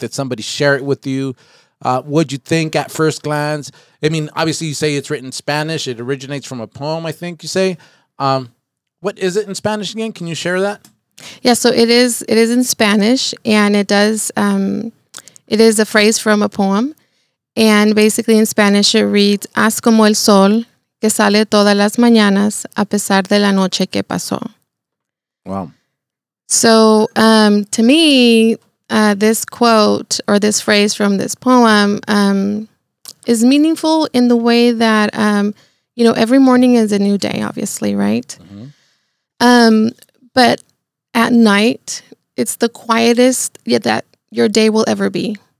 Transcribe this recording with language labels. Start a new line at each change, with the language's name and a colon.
English: Did somebody share it with you? What'd you think at first glance? I mean, obviously you say it's written in Spanish. It originates from a poem, I think you say. What is it in Spanish again? Can you share that? Yeah, so it is in Spanish, and it does, it is a phrase from a poem. And basically in Spanish it reads,
Spanish: "As como el sol que sale todas las mañanas a pesar de la noche que pasó."
English: Wow. So to me... this quote or this phrase from this poem is meaningful in the way that, you know, every morning is a new day, obviously, right? Mm-hmm. But at night, it's the quietest that your day will ever be.